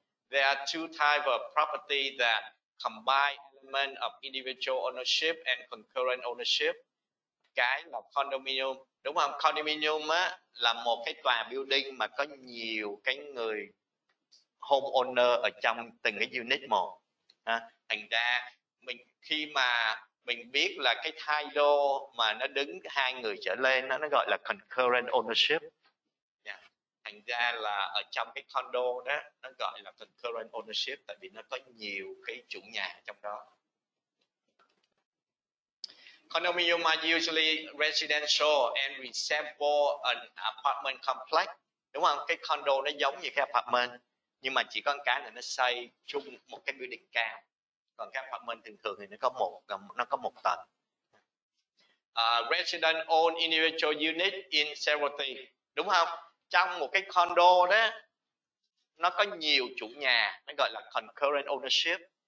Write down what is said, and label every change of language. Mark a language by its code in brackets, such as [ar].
[en] There are two types of property that combine element of individual ownership and concurrent ownership. [vi] Cái là condominium, đúng không? Condominium á, là một cái tòa building mà có nhiều cái người homeowner ở trong từng cái unit một. Thành ra mình khi mà mình biết là cái title mà nó đứng hai người trở lên nó gọi là concurrent ownership. Thành ra là ở trong cái condo đó nó gọi là concurrent ownership tại vì nó có nhiều cái chủ nhà trong đó. [en] Condominium are usually residential and resemble an apartment complex. [vi] Đúng không? Cái condo nó giống như cái apartment nhưng mà chỉ có một cái là nó xây chung một cái building cao. Còn cái apartment thường thường thì nó có một tầng. [en] Resident own individual unit in several tiers. [vi] Đúng không? Trong một cái condo đó nó có nhiều chủ nhà, nó gọi là concurrent ownership.